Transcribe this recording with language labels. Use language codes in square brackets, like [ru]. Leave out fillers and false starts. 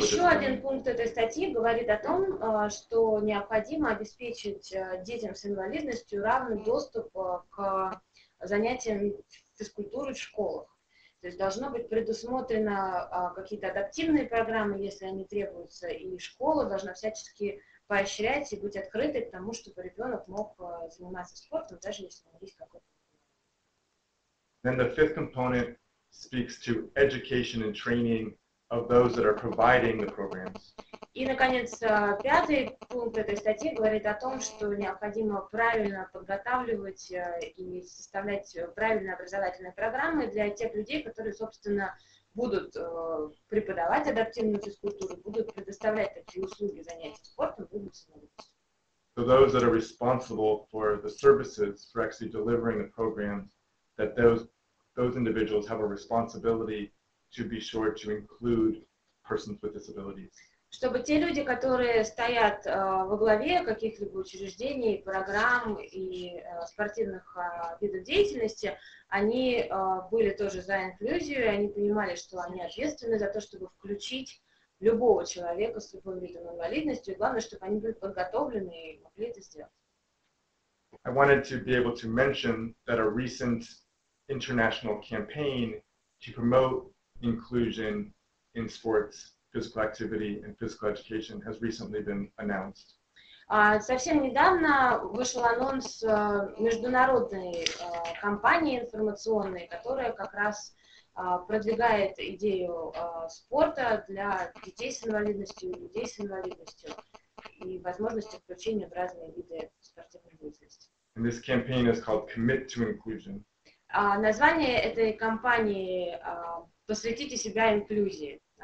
[ru] Еще один пункт этой статьи говорит о том, что необходимо обеспечить детям с инвалидностью равный доступ к занятиям в физкультуры в школах. То есть должно быть предусмотрено какие-то адаптивные программы, если они требуются, и школа должна всячески поощрять и быть открытой к тому, чтобы ребенок мог заниматься спортом, даже если он есть какой-то. [en] Then the fifth component speaks to education and training of those that are providing the programs. [ru] И, наконец, пятый пункт этой статьи говорит о том, что необходимо правильно подготавливать и составлять правильные образовательные программы для тех людей, которые, собственно, будут преподавать адаптивную физкультуру, будут предоставлять такие услуги занятий спортом, будут заниматься. [en] So those that are responsible for the services, for actually delivering the programs, that those individuals have a responsibility to be sure to include persons with disabilities. [ru] Чтобы те люди, которые стоят во главе каких-либо учреждений, программ и спортивных видов деятельности, они были тоже за инклюзию, и они понимали, что они ответственны за то, чтобы включить любого человека с любым видом инвалидности. Главное, чтобы они были подготовлены и могли это сделать. [en] I wanted to be able to mention that a recent international campaign to promote inclusion in sports, physical activity and physical education has recently been announced. [ru] Совсем недавно вышел анонс международной кампании информационной, которая как раз продвигает идею спорта для детей с инвалидностью, людей с инвалидностью и возможности включения в разные виды спортивной деятельности. [en] And this campaign is called Commit to Inclusion. [ru] Название этой кампании «Посвятите себя инклюзии».